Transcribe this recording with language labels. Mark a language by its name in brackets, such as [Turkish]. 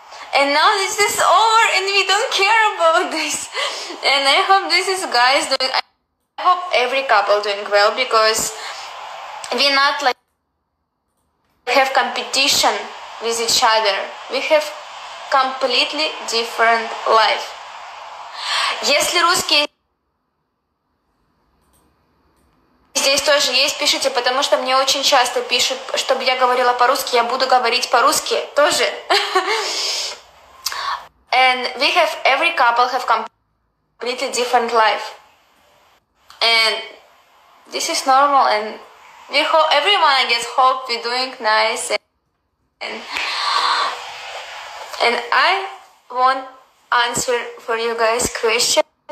[English] And now this is over and we don't care about this. And I hope this is guys doing, I hope every couple doing well because we not like have competition with each other. We have completely different life. [Russian] Если русские здесь тоже есть, пишите, потому что мне очень часто пишут, чтобы я говорила по-русски, я буду говорить по-русски тоже. [English] And we have, every couple have completely different life. And this is normal and we hope, everyone I guess hope we're doing nice and I won't answer for you guys question.